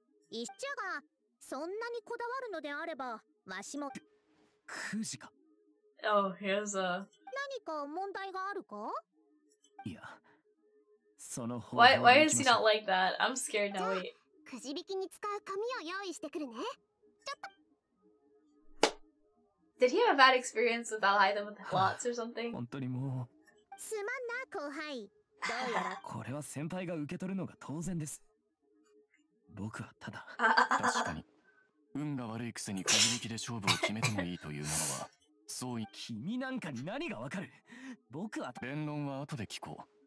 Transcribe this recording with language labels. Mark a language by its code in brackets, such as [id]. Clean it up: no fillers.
[ja] 一茶がそんなにこだわるのであればわしも 9時か。 [en] Oh, here's a [ja] 何か問題があるか。いやその方法は [en] why is he not like that? I'm scared now. [ja] くじ引きに使う紙を用意してくるね。ちょっと [en] Did he have a bad experience with Alhaitham with the plots or something? [ja] 本当にもう。すまんな、後輩。どうやら。これは先輩が受け取るのが当然です。僕はただ。確かに。運が悪いくせにくじ引きで勝負を決めてもいいというものは、そうい。君なんかに何がわかる？僕は。弁論は後で聞こう。